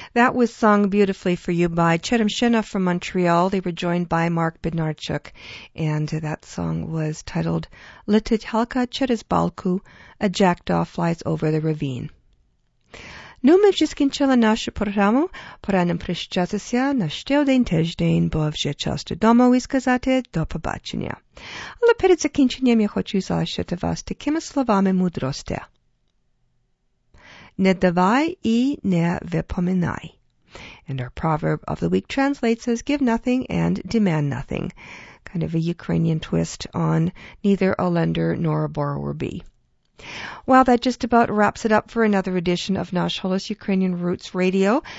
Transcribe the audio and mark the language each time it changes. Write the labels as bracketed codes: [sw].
[en] That was sung beautifully for you by Chetim Shena from Montreal. They were joined by Mark Bednarchuk, and that song was titled Letit Halka Cheres Balku, A Jackdaw Flies Over the Ravine. [uk] Ну, ми вже скінчили нашу програму. Пора нам прощатися на ще один тиждень, бо вже час додому і сказати до побачення. Але перед закінченням я хочу залишити вас такими словами мудрості. Не давай і не випоминай. [en] And our proverb of the week translates as give nothing and demand nothing. Kind of a Ukrainian twist on neither a lender nor a borrower be. Well, that just about wraps it up for another edition of Nash Holos Ukrainian Roots Radio.